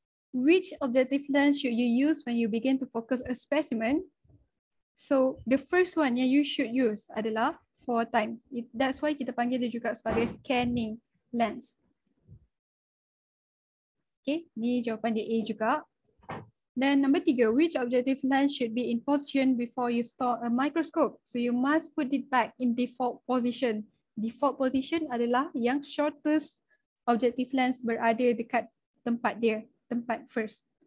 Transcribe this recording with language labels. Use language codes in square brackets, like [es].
[en] Which objective lens should you use when you begin to focus a specimen? So the first one yang you should use adalah 4x. That's why [ms] kita panggil dia juga sebagai [en] scanning lens. [ms] Okay, ni jawapan dia A juga. [en] Then number 3, which objective lens should be in position before you store a microscope? So you must put it back in default position. [ms] Default position adalah yang shortest objective lens berada dekat tempat dia, tempat first.